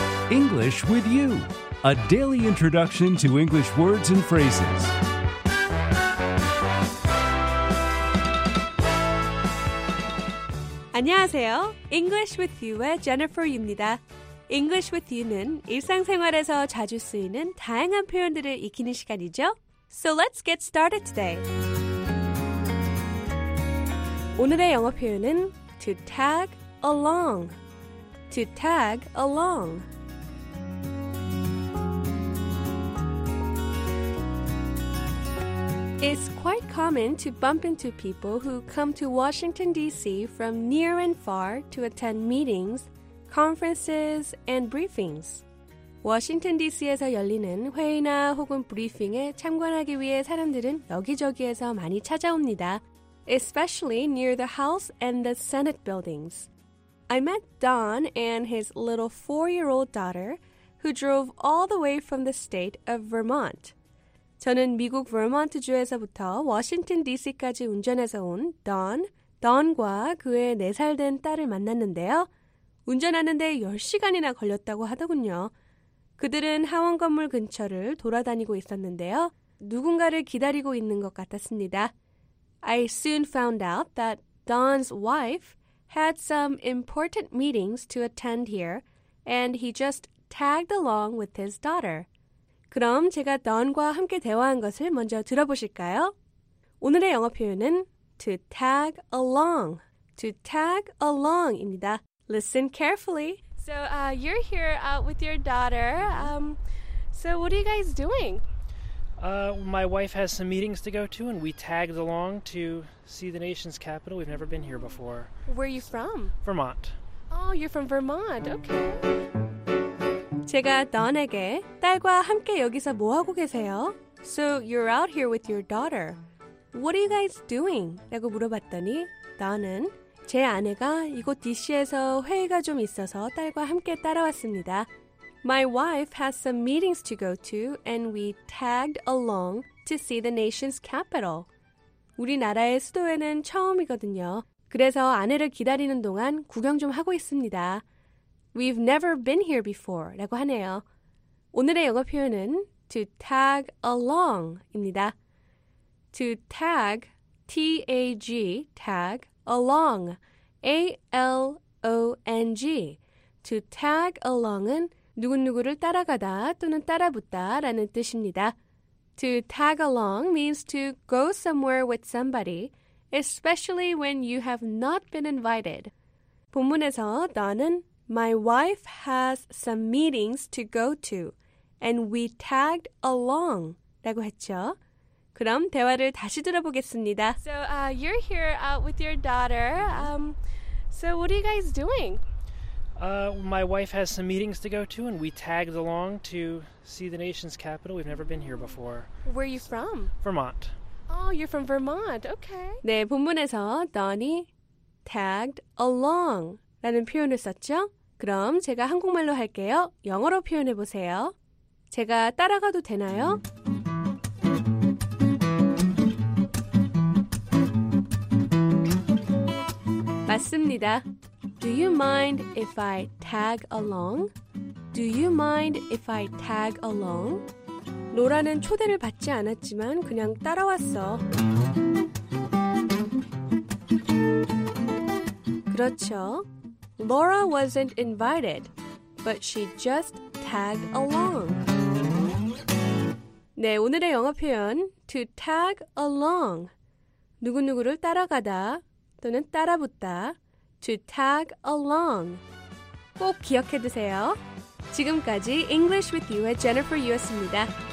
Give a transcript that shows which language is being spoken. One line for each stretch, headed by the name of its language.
English: English with you, a daily introduction to English words and phrases.
Korean: 안녕하세요. English with You의 Jennifer입니다. English with You는 일상생활에서 자주 쓰이는 다양한 표현들을 익히는 시간이죠.
English: So let's get started today.
Korean: 오늘의 영어 표현은
English: to tag along. To tag along. 'S quite common to bump into people who come to Washington, D.C. from near and far to attend meetings, conferences, and briefings.
Korean: Washington, D.C.에서 열리는 회의나 혹은 브리핑에 참관하기 위해 사람들은 여기저기에서 많이 찾아옵니다.
English: Especially near the House and the Senate buildings. I met Don and his little 4-year-old daughter, who drove all the way from the state of Vermont.
Korean: 저는 미국 버몬트주에서부터 워싱턴 DC까지 운전해서 온 Don과 그의 4살 된 딸을 만났는데요. 운전하는데 10시간이나 걸렸다고 하더군요. 그들은 하원 건물 근처를 돌아다니고 있었는데요. 누군가를 기다리고 있는 것 같았습니다.
English: I soon found out that Don's wife had some important meetings to attend here, and he just tagged along with his daughter.
Korean: 그럼 제가 Don과 함께 대화한 것을 먼저 들어보실까요? 오늘의 영어 표현은
English: to tag along, to tag along
Korean: 입니다.
English: Listen carefully. So you're here out with your daughter. So what are you guys doing? My wife has some meetings to go to, and we tagged along to see the nation's capital. We've never been here before. Where are you from? Vermont. Oh, you're from Vermont. Okay.
Korean: 제가 Don에게 딸과 함께 여기서 뭐 하고 계세요?
English: So you're out here with your daughter. What are you guys doing?
Korean: 라고 물어봤더니 Don은 제 아내가 이곳 DC에서 회의가 좀 있어서 딸과 함께 따라왔습니다.
English: My wife has some meetings to go to and we tagged along to see the nation's capital.
Korean: 우리나라의 수도에는 처음이거든요. 그래서 아내를 기다리는 동안 구경 좀 하고 있습니다.
English: We've never been here before
Korean: 라고 하네요. 오늘의 영어 표현은
English: to tag along
Korean: 입니다.
English: To tag, T-A-G, tag along, A-L-O-N-G. To tag along은
Korean: 누군누구를 따라가다 또는 따라붙다 라는 뜻입니다.
English: To tag along means to go somewhere with somebody, especially when you have not been invited.
Korean: 본문에서 너는
English: My wife has some meetings to go to, and we tagged along,
Korean: 라고 했죠. 그럼 대화를 다시 들어보겠습니다.
English: So you're here out with your daughter. So what are you guys doing? My wife has some meetings to go to, and we tagged along to see the nation's capital. We've never been here before. Where are you from? Vermont. Oh, you're from Vermont. Okay.
Korean: 네, 본문에서 Don이
English: tagged along.
Korean: 라는 표현을 썼죠? 그럼 제가 한국말로 할게요. 영어로 표현해 보세요. 제가 따라가도 되나요? Mm-hmm. 맞습니다.
English: Do you mind if I tag along? Do you mind if I tag along?
Korean: 로라는 초대를 받지 않았지만 그냥 따라왔어. 그렇죠.
English: Laura wasn't invited, but she just tagged along.
Korean: 네, 오늘의 영어 표현,
English: to tag along.
Korean: 누구누구를 따라가다 또는 따라붙다,
English: to tag along.
Korean: 꼭 기억해 두세요. 지금까지 English with You의 Jennifer Yu였습니다.